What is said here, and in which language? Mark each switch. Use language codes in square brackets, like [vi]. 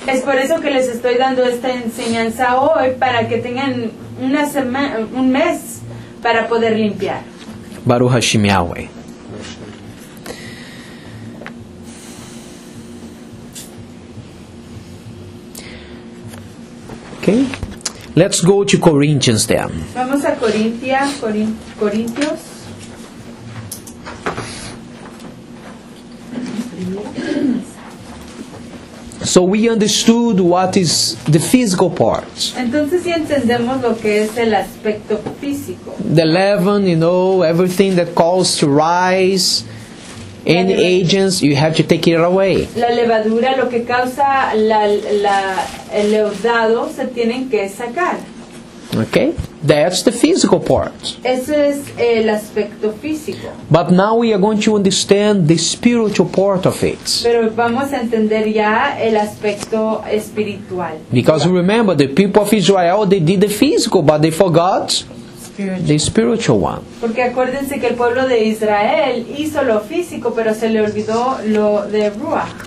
[es] Es por eso que les estoy dando esta enseñanza hoy, para que tengan una semana, un mes, para poder limpiar. [he] Baruch Hashem Yahweh. [en] Okay, let's go to Corinthians then. [es] Vamos a Corintia, Corintios. [en] So we understood what is the physical part. [es] Entonces ya entendemos lo que es el aspecto físico. [en] The leaven, you know, everything that causes to rise. Any agents, you have to take it away. [es] La levadura, lo que causa el leudado, se tienen que sacar. [en] Okay, that's the physical part. [es] Ese es el aspecto físico. [en] But now we are going to understand the spiritual part of it. [es] Pero vamos a entender ya el aspecto espiritual. [en] Because remember, the people of Israel, they did the physical, but they forgot the spiritual one. [es] Porque acuérdense que el pueblo de Israel hizo lo físico, pero se le olvidó lo de Ruach.